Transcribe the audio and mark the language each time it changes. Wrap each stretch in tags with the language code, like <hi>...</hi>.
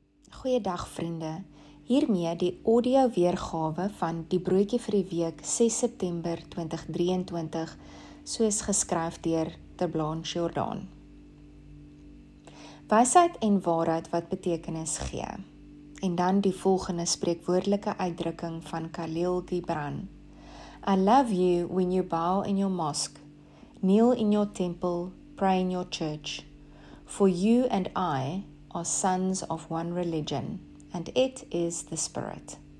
<af>Goeiedag vriende, hiermee die audio weergawe van die broodjie vir die week 6 September 2023, soos geskryf deur Ter Blanche Jordan. Wysheid en waarheid wat betekenis gee. En dan die volgende spreekwoordelike uitdrukking van Khalil Gibran.</af> <en>I love you when you bow in your mosque, kneel in your temple, pray in your church. For you and I are sons of one religion, and it is the Spirit.</en>